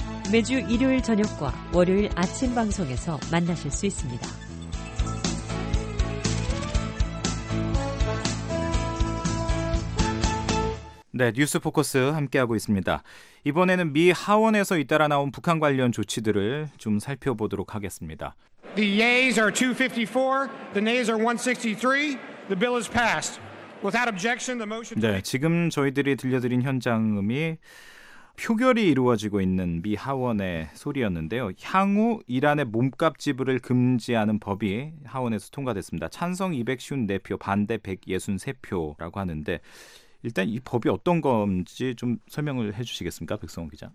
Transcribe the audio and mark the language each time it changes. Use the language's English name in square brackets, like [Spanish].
[Korean] 매주 일요일 저녁과 월요일 아침 방송에서 만나실 수 있습니다. 네, 뉴스 포커스 함께하고 있습니다. 이번에는 미 하원에서 잇따라 나온 북한 관련 조치들을 좀 살펴보도록 하겠습니다. [English] The yeas are 254, the nays are 163. The bill is passed. Without objection, the motion. [Korean] 네, 지금 저희들이 들려드린 현장음이 표결이 이루어지고 있는 미 하원의 소리였는데요. 향후 이란의 몸값 지불을 금지하는 법이 하원에서 통과됐습니다. 찬성 254표, 반대 163표라고 하는데 일단 이 법이 어떤 건지 좀 설명을 해주시겠습니까, 백성원 기자?